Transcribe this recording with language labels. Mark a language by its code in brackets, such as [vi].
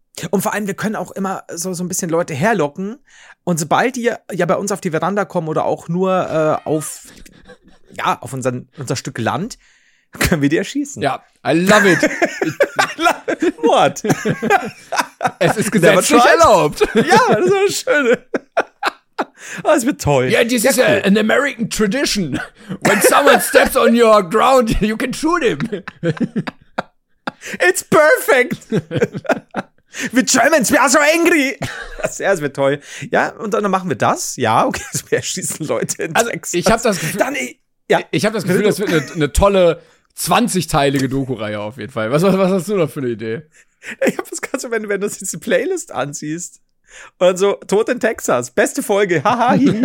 [de] Und vor allem, wir können auch immer so ein bisschen Leute herlocken und sobald die ja bei uns auf die Veranda kommen oder auch nur auf unser Stück Land, können wir die erschießen. [en] Ja, I love it. What? [de] Es ist gesetzlich erlaubt. Ja, das ist schön. Oh, das wird toll. [en] Yeah, this is an American tradition. When someone steps on your ground, you can shoot him. It's perfect. We Germans, we are so angry. [de] Das wird toll. Ja, und dann machen wir das. Ja, okay, also wir erschießen Leute in also, Texas. Ich habe das Gefühl, das wird eine tolle 20-teilige Doku-Reihe auf jeden Fall. Was hast du da für eine Idee? Ich hab das gerade so, wenn du jetzt die Playlist anziehst und dann so, Tod in Texas, beste Folge, haha.